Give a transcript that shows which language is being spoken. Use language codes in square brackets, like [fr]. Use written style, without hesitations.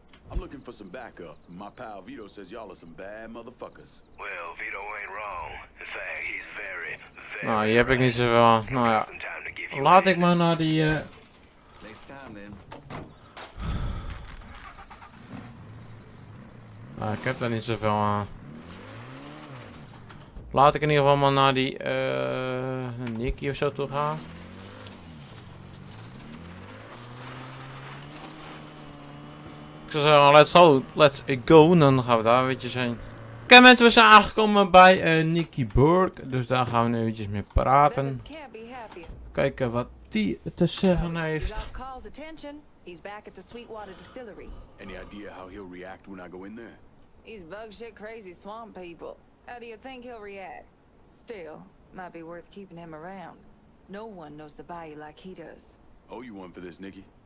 [en] I'm looking for some backup. My pal Vito says y'all are some bad motherfuckers. Well, Vito ain't wrong. In fact, he's very, very. [nl] Nou, hier heb ik niet zoveel. Nou ja. Laat ik maar naar die. [en] Next time then. [nl] Ik heb daar niet zoveel aan. Laat ik in ieder geval maar naar die Nikki of zo toe gaan. Ik zou zeggen, [en] let's go. [nl] En dan gaan we daar een beetje zijn. Oké, mensen, we zijn aangekomen bij Nikki Burke. Dus daar gaan we nu eventjes mee praten. Kijken wat die te zeggen heeft. [en] He's back at the Sweetwater Distillery. Any idea how he'll react when I go in there? He's bug shit crazy swamp people. How do you think he'll react? Still, might be worth keeping him around. No one knows the bayou like he does. Oh, you one for this, Nikki?